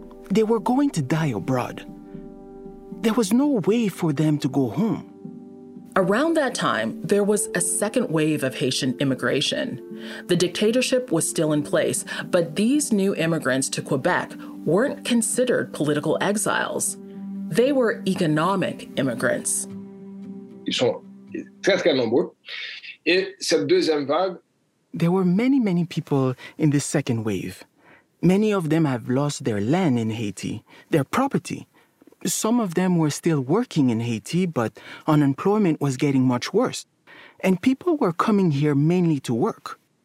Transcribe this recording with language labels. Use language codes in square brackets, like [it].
[en] They were going to die abroad. There was no way for them to go home. Around that time, there was a second wave of Haitian immigration. The dictatorship was still in place, but these new immigrants to Quebec weren't considered political exiles. They were economic immigrants. [fr] Ils sont très, très nombreux. Et cette deuxième vague... [en] There were many, many people in the second wave. Many of them have lost their land in Haiti, their property. Some of them were still working in Haiti, but unemployment was getting much worse. And people were coming here mainly to work.